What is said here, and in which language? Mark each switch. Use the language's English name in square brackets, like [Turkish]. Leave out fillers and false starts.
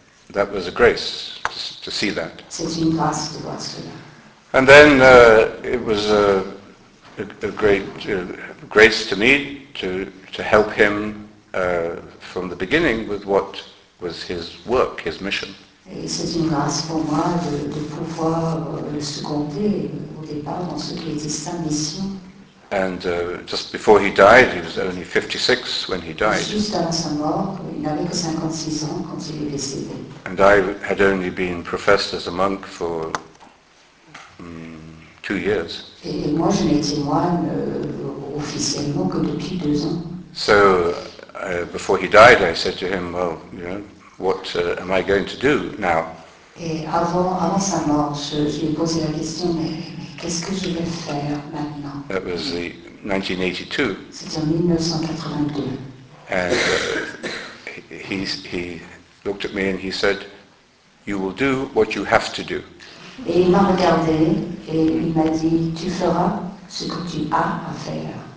[English] That was a grace to see that. And then it was a great grace to me to help him from the beginning with what was his work, his mission. [French] Et c'est une grâce pour moi de pouvoir le seconder au départ dans ce qui était sa mission. [English] And just before he died, he was only 56 when he died. [French] Juste avant sa mort, il n'avait que 56 ans quand il est décédé. [English] And I had only been professed as a monk for 2 years. [French] Et moi, je n'étais moine officiellement que depuis 2 ans. [English] So, before he died, I said to him, well, you know, what am I going to do now? [French] Et avant sa mort, je lui ai posé la question, mais qu'est-ce que je vais faire maintenant? [English] That was the 1982. [French] C'était en 1982. [English] And he looked at me and he said, you will do what you have to do. [French] Et il m'a regardé et il m'a dit, tu feras ce que tu as à faire.